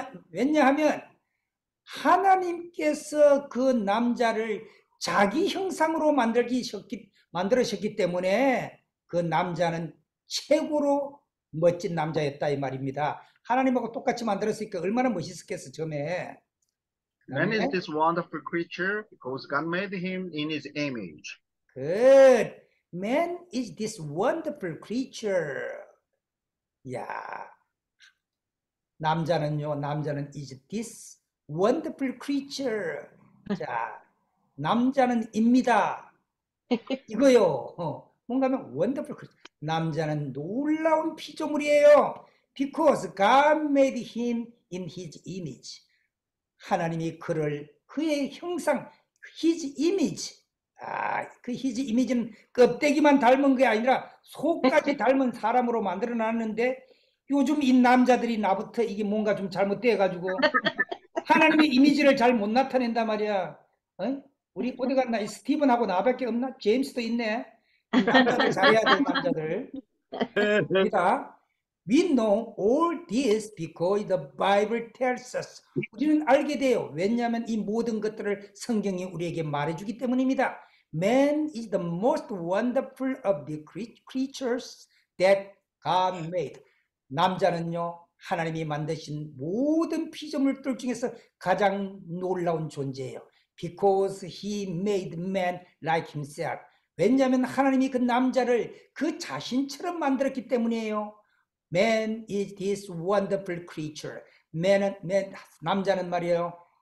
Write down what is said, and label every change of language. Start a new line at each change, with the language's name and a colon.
Korean: 왜냐하면 하나님께서 그 남자를 자기 형상으로 만들으셨기 때문에 그 남자는 최고로 멋진 남자였다 이 말입니다. 하나님하고 똑같이 만들었으니까 얼마나 멋있었겠어 처음에.
English: Man is this wonderful creature because God made him in his image. Good. Man is this wonderful creature. 야.
Korean: 남자는
English: is this wonderful creature.
Korean: 자, 남자는 입니다. 이거요. 뭔가 하면
English: wonderful creature.
Korean: 남자는 놀라운 피조물이에요.
English: Because God made him in his image.
Korean: 하나님이 그를 그의 형상,
English: his image.
Korean: 아, 그 his image는 껍데기만 닮은 게 아니라 속까지 닮은 사람으로 만들어 놨는데 요즘 이 남자들이 나부터 이게 뭔가 좀 잘못돼가지고 하나님의 이미지를 잘 못 나타낸단 말이야. 어? 우리 어디 갔나? 스티븐하고 나밖에 없나? 제임스도 있네. 남자들 잘해야 돼, 남자들. 그러니까
English: we know all this because the Bible tells us.
Korean: 우리는 알게 돼요. 왜냐하면 이 모든 것들을 성경이 우리에게 말해주기 때문입니다.
English: Man is the most wonderful of the creatures that God made.
Korean: 남자는요, 하나님이 만드신 모든 피조물들 중에서 가장 놀라운 존재예요.
English: Because he made man like himself.
Korean: 왜냐하면 하나님이 그 남자를 그 자신처럼 만들었기 때문이에요.
English: Man is this wonderful creature. Man,
Korean: 남자는 말이에요.